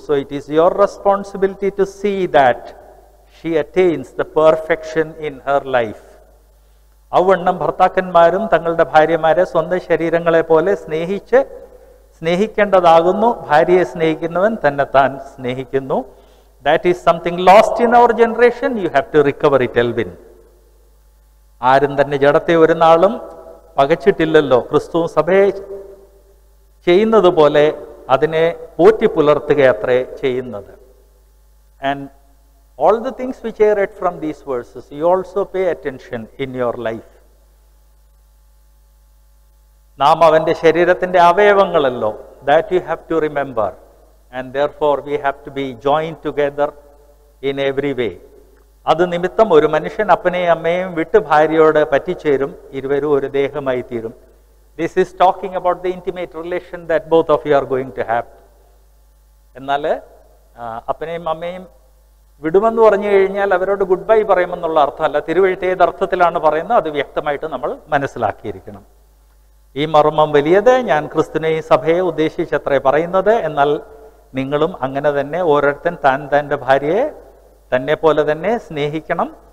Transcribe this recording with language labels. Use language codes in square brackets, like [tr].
[en] So it is your responsibility to see that she attains the perfection in her life. [ml] അവണ്ണം ഭർത്താക്കന്മാരും തങ്ങളുടെ ഭാര്യമാരെ സ്വന്തം ശരീരങ്ങളെ പോലെ സ്നേഹിക്കേണ്ടതാകുന്നു. ഭാര്യയെ സ്നേഹിക്കുന്നവൻ തന്നെത്താൻ സ്നേഹിക്കുന്നു. [en] That is something lost in our generation. You have to recover it, Elwin. [ml] ആരും തന്നെ ജഡത്തെ ഒരു നാളും പകച്ചിട്ടില്ലല്ലോ. ക്രിസ്തുവും സഭയെ ചെയ്യുന്നത് പോലെ അതിനെ പോറ്റി പുലർത്തുക അത്രേ ചെയ്യുന്നത്. [en] And all the things which I read from these verses, you also pay attention in your life. [ml] നാം അവന്റെ ശരീരത്തിന്റെ അവയവങ്ങളല്ലോ. [en] That you have to remember. And therefore we have to be joined together in every way. [ml] അത് നിമിത്തം ഒരു മനുഷ്യൻ അപ്പനെയും അമ്മയെയും വിട്ട് ഭാര്യയോട് പറ്റിച്ചേരും, ഇരുവരും ഒരു ദേഹമായി തീരും. [en] This is talking about the intimate relation that both of you are going to have. [ml] എന്നാല് അപ്പനെയും അമ്മയും വിടുമെന്ന് പറഞ്ഞു കഴിഞ്ഞാൽ അവരോട് ഗുഡ് ബൈ പറയുമെന്നുള്ള അർത്ഥമല്ല, തിരുവഴുത്ത് ഏത് അർത്ഥത്തിലാണ് പറയുന്നത് അത് വ്യക്തമായിട്ട് നമ്മൾ മനസ്സിലാക്കിയിരിക്കണം. ഈ മർമ്മം വലിയത് ഞാൻ ക്രിസ്തുവിനെയും സഭയെ ഉദ്ദേശിച്ചത്രേ പറയുന്നത്. എന്നാൽ നിങ്ങളും അങ്ങനെ തന്നെ ഓരോരുത്തൻ താൻ തൻ്റെ ഭാര്യയെ തന്നെ പോലെ തന്നെ സ്നേഹിക്കണം.